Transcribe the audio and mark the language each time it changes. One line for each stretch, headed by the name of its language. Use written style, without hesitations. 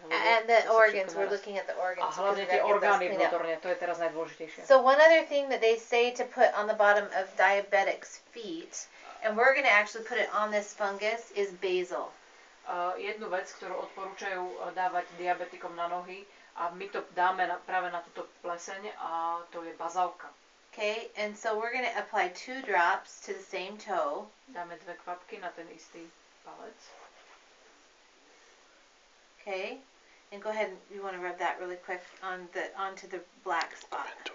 English: And the organs, we're looking at the organs.
Slovak: A hlavne tie orgány vnútorne, to je teraz najdôležitejšie.
English: So one other thing that they say to put on the bottom of diabetics' feet, and we're going to actually put it on this fungus, is basil.
Slovak: Jednu vec, ktorú odporúčajú dávať diabetikom na nohy, a my to dáme práve na túto pleseň, a to je bazálka.
English: Okay, and so we're going to apply two drops to the same toe.
Slovak: Dáme dve kvapky na ten istý palec.
English: Okay, and go ahead and you want to rub that really quick onto the black spot.